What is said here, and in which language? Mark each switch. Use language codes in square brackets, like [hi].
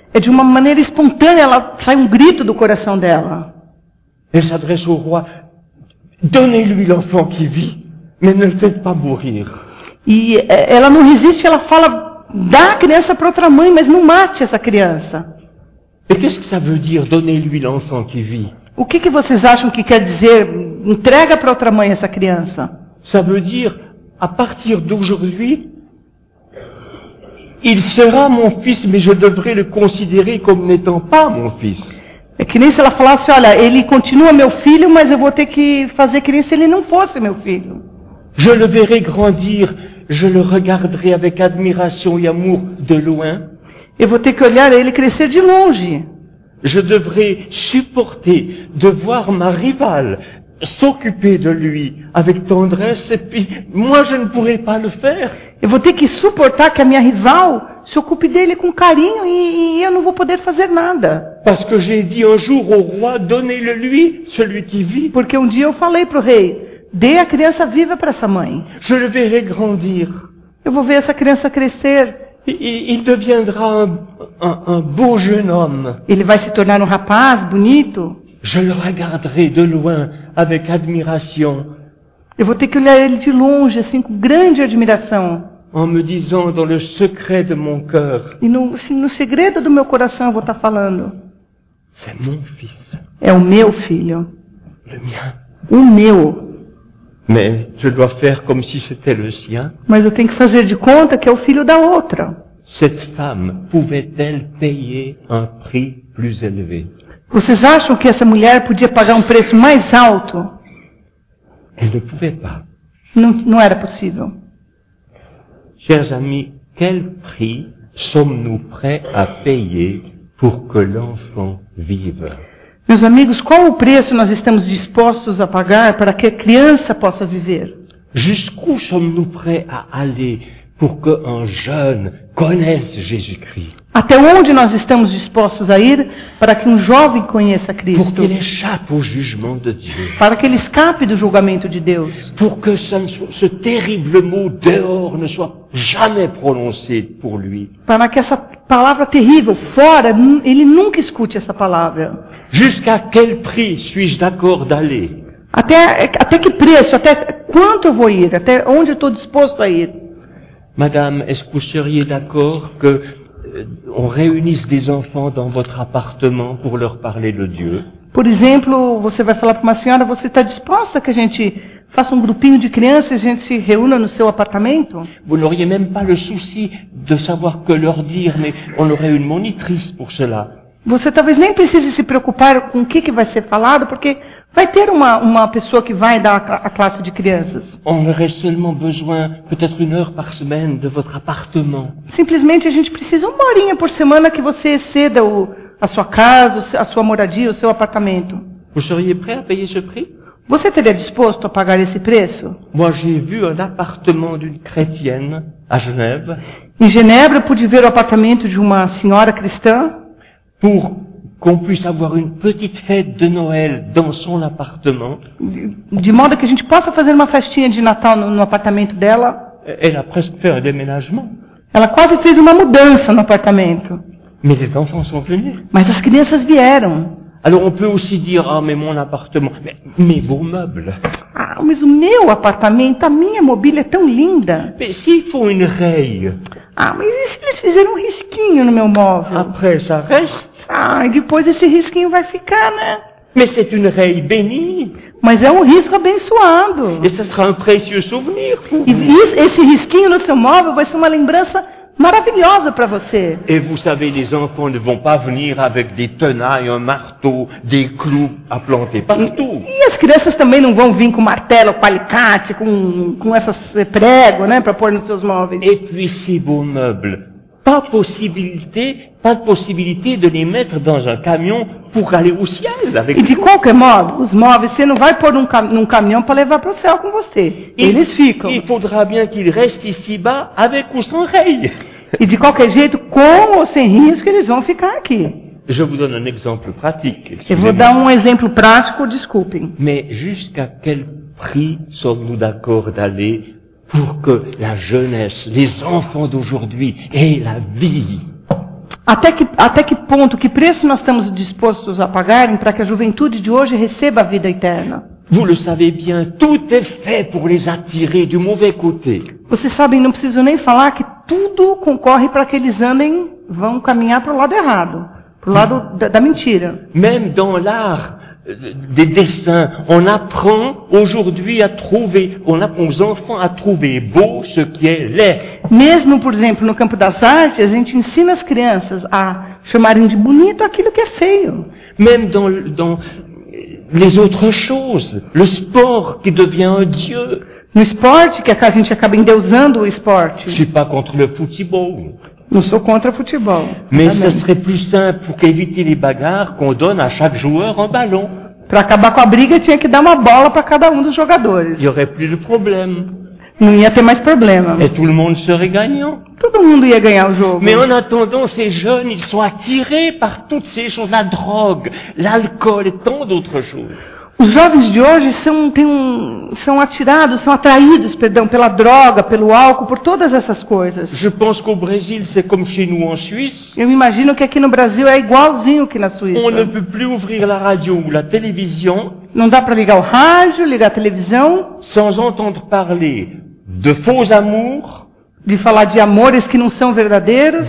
[pt] É de uma maneira espontânea, ela sai um grito do coração dela. [fr] Elle s'adresse au roi. Donnez-lui l'enfant qui vit. Mais ne le faites pas mourir. [pt] E ela não resiste, ela fala, dá a criança para outra mãe, mas não mate essa criança. [fr] E qu'est-ce que ça veut dire, donnez-lui l'enfant qui vit? [pt] O que, que vocês acham que quer dizer, entrega para outra mãe essa criança? [fr] Ça veut dire, à partir d'aujourd'hui, il sera mon fils, mais je devrais le considérer comme n'étant pas mon fils. [pt] É que nem se ela falasse, olha, ele continua meu filho, mas eu vou ter que fazer que nem se ele não fosse meu filho. [fr] Je le verrai grandir, je le regarderai avec admiration et amour de loin. [pt] Eu vou ter que olhar ele crescer de longe. [fr] Je devrai supporter de voir ma rivale s'occuper de lui avec tendresse et puis moi je ne pourrai pas le faire. [pt] Eu vou ter que suportar que a minha rival se ocupe dele com carinho e eu não vou poder fazer nada. [fr] Parce que j'ai dit un jour au roi, donnez-le lui, celui qui vit. [pt] Porque um dia eu falei pro rei, dê a criança viva para essa mãe. [fr] Je le verrai grandir. [pt] Eu vou ver essa criança crescer. [fr] Il deviendra un beau jeune homme. [pt] Ele vai se tornar um rapaz bonito. [fr] Je le regarderai de loin avec admiration. [pt] Eu vou ter que olhar ele de longe, assim, com grande admiração. [fr] En me disant dans le secret de mon cœur. [pt] E no, assim, no segredo do meu coração eu vou estar falando. [fr] C'est mon fils. [pt] É o meu filho. [fr] Le mien. [pt] O meu. [fr] Mais je dois faire comme si c'était le sien. [pt] Mas eu tenho que fazer de conta que é o filho da outra. [fr] Cette femme pouvait-elle payer un prix plus élevé? [pt] Vocês acham que essa mulher podia pagar um preço mais alto? [fr] Elle ne pouvait pas. [pt] Não era possível. [fr] Chers amis, quel prix sommes-nous prêts à payer pour que l'enfant vive? [pt] Meus amigos, qual o preço nós estamos dispostos a pagar para que a criança possa viver? [fr] Jusqu'où sommes-nous prêts à aller pour que un jeune connaisse Jésus-Christ? [pt] Até onde nós estamos dispostos a ir para que um jovem conheça Cristo? [fr] Pour qu'il échappe au jugement de Dieu. [pt] Para que ele escape do julgamento de Deus. [fr] Pour que ce terrible mot dehors ne soit jamais prononcé pour lui. [pt] Para que essa palavra terrível fora, ele nunca escute essa palavra. [fr] Jusqu'à quel prix suis-je d'accord d'aller? [pt] Até que preço, até quanto eu vou ir, até onde eu estou disposto a ir? [fr] Madame, est-ce que vous seriez d'accord que on réunisse des enfants dans votre appartement pour leur parler de Dieu? [pt] Por exemplo, você vai falar para uma senhora, você está disposta que a gente faça um grupinho de crianças e a gente se reúna no seu apartamento? [fr] Vous n'auriez même pas le souci de savoir que leur dire, mais on aurait une monitrice pour cela. [pt] Você talvez nem precise se preocupar com o que, que vai ser falado, porque vai ter uma pessoa que vai dar a classe de crianças. [fr] On aurait seulement besoin peut-être une heure par semaine de votre appartement. [pt] Simplesmente a gente precisa uma horinha por semana que você ceda a sua casa, a sua moradia, o seu apartamento. [fr] Vous seriez prêt à payer ce prix? [pt] Você teria disposto a pagar esse preço? [fr] Moi, j'ai vu un appartement d'une chrétienne à Genève. [pt] Em Genebra, eu pude ver o apartamento de uma senhora cristã. [fr] Pour qu'on puisse avoir une petite fête de Noël dans son appartement. [pt] De modo que a gente possa fazer uma festinha de Natal no apartamento dela. [fr] Elle a presque fait un déménagement. [pt] Ela quase fez uma mudança no apartamento. [fr] Mais les enfants sont venus. [pt] Mas as crianças vieram. [fr] Alors on peut aussi dire, ah, mais mon appartement, mais vos meubles. [pt] Ah, mas o meu apartamento, a minha mobília é tão linda. [fr] Mais s'ils font une raie. [pt] Ah, mas e se eles fizeram um risquinho no meu móvel? [fr] Après, ça reste. [pt] Ah, depois esse risquinho vai ficar, né? [fr] Mais c'est une raie bénie. [pt] Mas é um risco abençoado. [fr] Et ce sera un précieux souvenir. [pt] E esse risquinho no seu móvel vai ser uma lembrança maravilhosa para você. [fr] Et vous savez, les enfants ne vont pas venir avec des tenailles, un marteau, des clous à planter partout. [pt] E as crianças também não vão vir com martelo, com alicate, com essas pregos, né, para pôr nos seus móveis. [fr] Et puis si vos meubles, pas de possibilité de les mettre dans un camion pour aller au ciel avec. [pt] E de qualquer modo, os móveis você não vai pôr num caminhão para levar para o céu com você. Eles ficam. [fr] Il faudra bien qu'ils restent ici-bas avec ou sans rail. [pt] E de qualquer jeito, com ou sem risco, eles vão ficar aqui. [fr] Je vous donne un exemple pratique. [pt] Eu vou dar um exemplo prático, desculpem. [fr] Mais jusqu'à quel prix sommes-nous d'accord d'aller pour que la jeunesse, les enfants d'aujourd'hui aient la vie? [pt] Até que ponto, que preço nós estamos dispostos a pagar para que a juventude de hoje receba a vida eterna? [fr] Vous le savez bien, tout est fait pour les attirer du mauvais côté. [pt] Vocês sabem, não preciso nem falar que tudo concorre para que eles andem, vão caminhar para o lado errado, para o lado da mentira. [fr] Même dans l'art des dessins, on apprend aujourd'hui à trouver, on apprend aux enfants à trouver beau ce qui est laid. [pt] Mesmo, por exemplo, no campo das artes, a gente ensina as crianças a chamarem de bonito aquilo que é feio. [fr] Même dans les autres choses, le sport qui devient un dieu. [pt] No esporte, que a gente acaba endeusando o esporte. [fr] Je suis pas contre le football. [pt] Não sou contra o futebol. [fr] Mais ce serait plus simple pour éviter les bagarres qu'on donne à chaque joueur un ballon. [pt] Para acabar com a briga, tinha que dar uma bola para cada um dos jogadores. [fr] Il y aurait plus de problème. [pt] Não ia ter mais problema. [fr] Et tout le monde serait gagnant. [pt] Todo mundo ia ganhar o jogo. [fr] Mais en attendant, ces jeunes, ils sont attirés par toutes ces choses, la drogue, l'alcool et tant d'autres choses. [pt] Os jovens de hoje são atraídos, pela droga, pelo álcool, por todas essas coisas. [fr] Je pense qu'au Brésil, c'est comme chez nous en Suisse. [pt] Eu me imagino que aqui no Brasil é igualzinho que na Suíça. [fr] On ne peut plus ouvrir la radio ou la télévision. [pt] Não dá para ligar o rádio, ligar a televisão. [fr] Sans entendre parler de faux amours. [pt] De falar de amores que não são verdadeiros.